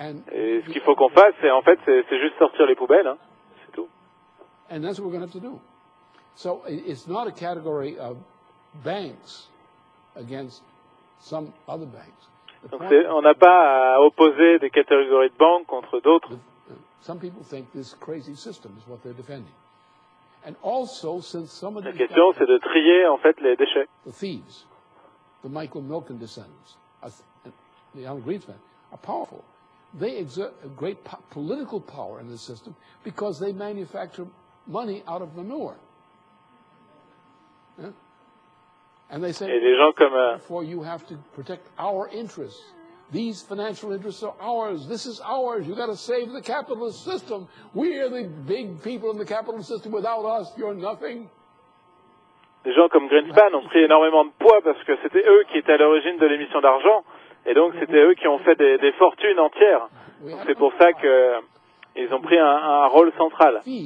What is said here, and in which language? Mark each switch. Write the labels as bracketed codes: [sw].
[fr] Et ce qu'il faut qu'on fasse, c'est en fait, c'est juste sortir les poubelles, hein. C'est tout. [en] And that's what we're going to have to do. So it's not a category of banks against some other banks. [fr] Donc on n'a pas à opposer des catégories de banques contre d'autres. [en] Some people think this crazy system is what they're defending. And also, since some of [fr] the. La question, c'est de trier en fait les déchets. [en] The thieves, the Michael Milken descendants, the Alan Greenspan, are powerful. They exert a great political power in the system because they manufacture money out of manure. Yeah? And they say, therefore, you have to protect our interests. These financial interests are ours. This is ours. You've got to save the capitalist system. We are the big people in the capitalist system. Without us, you're nothing. [fr] Les gens comme Greenspan ont pris énormément de poids parce que c'était eux qui étaient à l'origine de l'émission d'argent. Et donc, c'était eux qui ont fait des fortunes entières. Donc, c'est pour ça qu'ils ont pris un rôle central.